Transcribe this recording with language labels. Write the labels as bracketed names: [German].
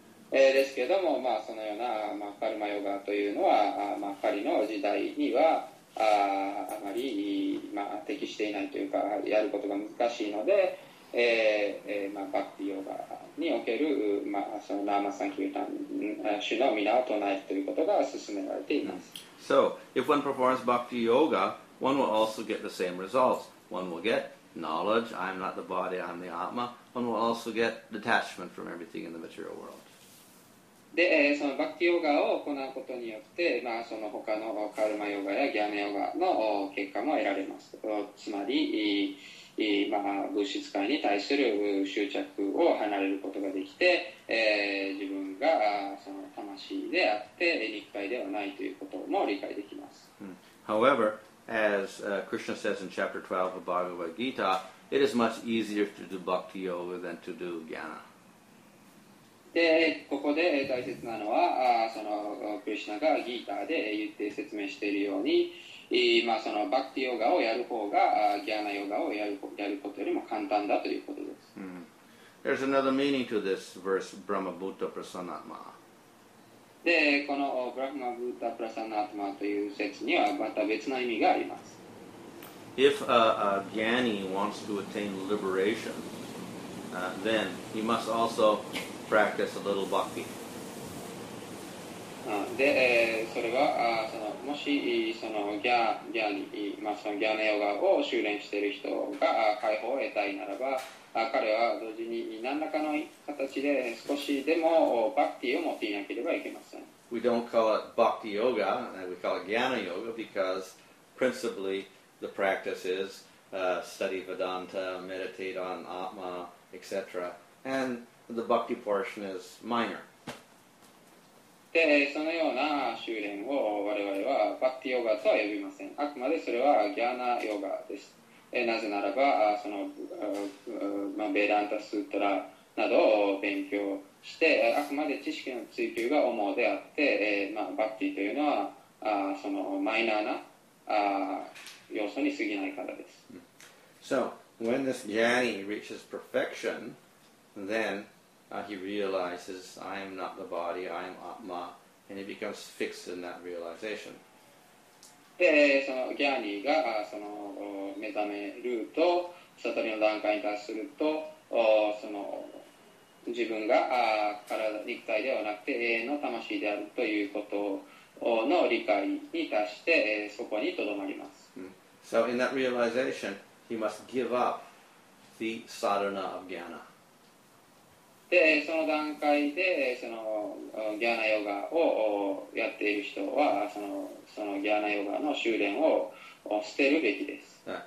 [Japanese] ですけども、まあ、そのような、まあ、カルマヨガというのは、まあ、カリの時代には あまり、まあ、適していないというか、やることが難しいので、まあ、バクティヨガにおける、まあ、そのナーマサンキュータン主の皆を唱えるということが進められています。 Mm. [English] So, if one performs Bhakti Yoga, one will also get the same results. One will get knowledge, I am not the body, I am the Atma. One will also get detachment from everything in the material world. [Japanese] でそのバクティヨガを行うことによって、まあ、その他のカルマヨガやギャーナヨガの結果も得られます。つまり、まあ、物質界に対する執着を離れることができて、自分がその魂であって肉体ではないということも理解できます。 [English] However, as Krishna says in chapter 12 of Bhagavad Gita, it is much easier to do bhakti yoga than to do jnana. [Japanese] でここで大切なのはそのクリシナがギーターで言って説明しているように、まあ、そのバクティヨガをやる方がギャーナヨガをやることよりも簡単だということです、 mm-hmm. [English] There's another meaning to this verse Brahma Bhuta Prasannatma [Japanese] でこの Brahma Bhuta Prasannatma という説にはまた別の意味があります [English] If a Gyani wants to attain liberation then he must alsopractice a little bhakti. [Japanese] で、それは、その、もし、その、ギャーニ、まあ、その、ギャーナヨガを修練している人が、解放を得たいならば、彼は同時に何らかの形で少しでも、バクティを持っていなければいけません。 [English] We don't call it bhakti yoga, we call it gyana yoga because principally the practice is, study Vedanta, meditate on Atma, etc. And,The bhakti portion is minor. [Japanese] で、そのような修練を我々はバクティヨガとは呼びません。あくまでそれはギャーナヨガです。なぜならば、その、まあ、ベーダンタスートラなどを勉強して、あくまで知識の追求が主であって、まあ、バクティというのはそのマイナーな要素に過ぎないからです。 [English] So, when this jnani reaches perfection,Then he realizes, I am not the body, I am Atma, and he becomes fixed in that realization. [Japanese] で、そのギャーニーがその目覚めると、悟りの段階に達すると、その自分が肉体ではなくて永遠の魂であるということの理解に達して、そこにとどまります。 So in that realization, he must give up the sadhana of jnana. でその段階でそのギャーナヨガをやっている人はそのギャーナヨガの修練を捨てるべきです。